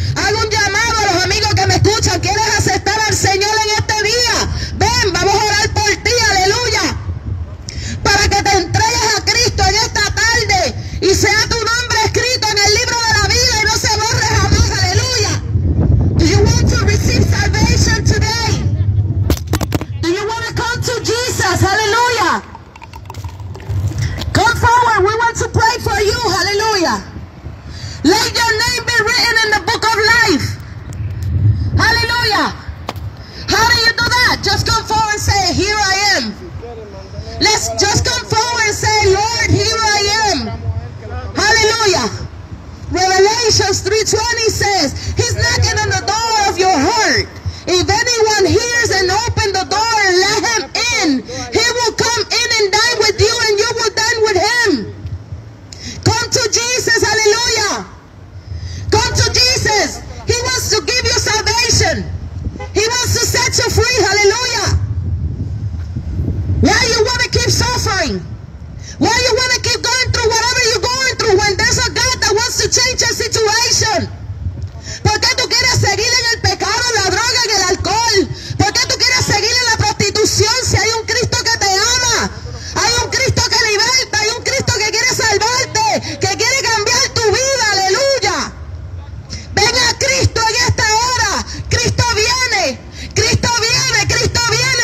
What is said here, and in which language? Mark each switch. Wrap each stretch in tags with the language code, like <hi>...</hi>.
<es>Hago un llamado a los amigos que me escuchan. ¿Quieres aceptar al Señor en este día? Ven, vamos a orar por ti, aleluya. Para que te entregues a Cristo en esta tarde. Y sea tu nombre escrito en el libro de la vida y no se borre jamás, aleluya.</es> <en>Do you want to receive salvation today? Do you want to come to Jesus, aleluya? Forward, we want to pray for you, hallelujah. Let your name be written in the book of life, hallelujah. How do you do that? Just come forward and say, here I am. Let's just come forward and say, Lord, here I am, hallelujah. Revelations 3:20 says, he's knocking on the door of your heart. If anyone hears and open the door and let him in, he will come in and die with you and you will die with him. Come to Jesus, hallelujah. Come to Jesus. He wants to give you salvation. He wants to set you free, hallelujah. Why you want to keep suffering? Why you want to keep going through whatever you're going through when there's a God that wants to change your situation?</en> <es>¿Por qué tú quieres seguir en el pecado, en la droga, en el alcohol? ¿Por qué tú quieres seguir en la prostitución si hay un Cristo que te ama? Hay un Cristo que liberta, hay un Cristo que quiere salvarte, que quiere cambiar tu vida, aleluya. Ven a Cristo en esta hora. Cristo viene, Cristo viene, Cristo viene.</es>